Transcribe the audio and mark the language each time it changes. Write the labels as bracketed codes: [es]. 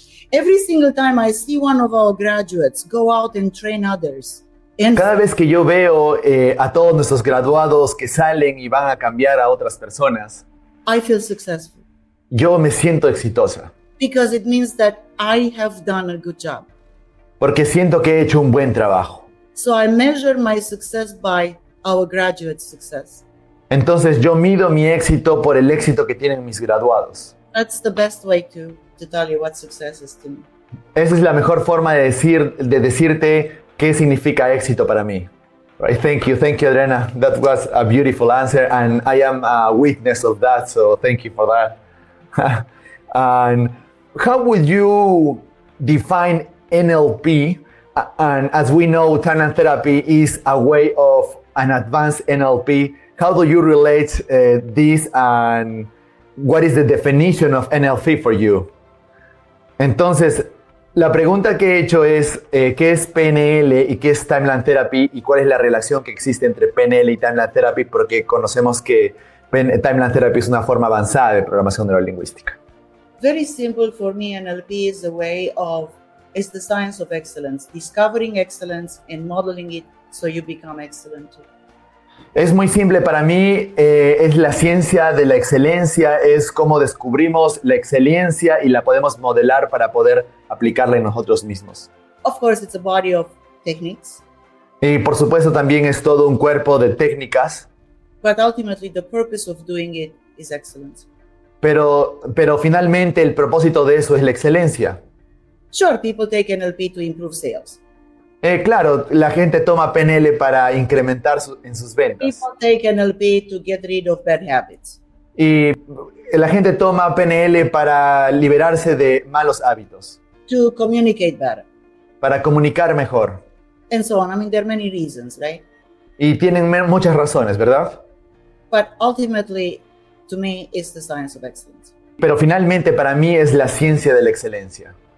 [en] Every single time I see one of our graduates go out and train others. And [es] cada vez que yo veo a todos nuestros graduados que salen y van a cambiar a otras personas. [en] I feel successful. [es] Yo me siento exitosa. [en] Because it means that I have done a good job. [es] Porque siento que he hecho un buen trabajo. [en] So I measure my success by our graduates' success. [es] Entonces yo mido mi éxito por el éxito que tienen mis graduados. [en] That's the best way to tell you what success is to me. [es] Esa es la mejor forma de decirte qué significa éxito para mí. [en] Right, thank you, Adriana. That was a beautiful answer, and I am a witness of that, so thank you for that. And how would you define NLP? And as we know, Tanan Therapy is a way of an advanced NLP. How do you relate this, and what is the definition of NLP for you? [es] Entonces, la pregunta que he hecho es, ¿qué es PNL y qué es Timeline Therapy y cuál es la relación que existe entre PNL y Timeline Therapy? Porque conocemos que Timeline Therapy es una forma avanzada de programación neurolingüística. [en] Very simple for me, NLP is a way of, it's the science of excellence, discovering excellence and modeling it so you become excellent too. [es] Es muy simple para mí, es la ciencia de la excelencia, es cómo descubrimos la excelencia y la podemos modelar para poder aplicarla en nosotros mismos. [en] Of course, it's a body of techniques. [es] Y por supuesto también es todo un cuerpo de técnicas. [en] But ultimately, the purpose of doing it is excellence. [es] Pero finalmente el propósito de eso es la excelencia. [en] Sure, people take NLP to improve sales. [es] Claro, la gente toma PNL para incrementar en sus ventas. [en] People take NLP to get rid of bad habits. [es] Y la gente toma PNL para liberarse de malos hábitos. [en] To communicate better. [es] Para comunicar mejor. [en] And so on. I mean, there are many reasons, right? [es] Y tienen muchas razones, ¿verdad? [en] But ultimately, to me, it's the science of excellence. [es] Pero finalmente, para mí, es la ciencia de la excelencia.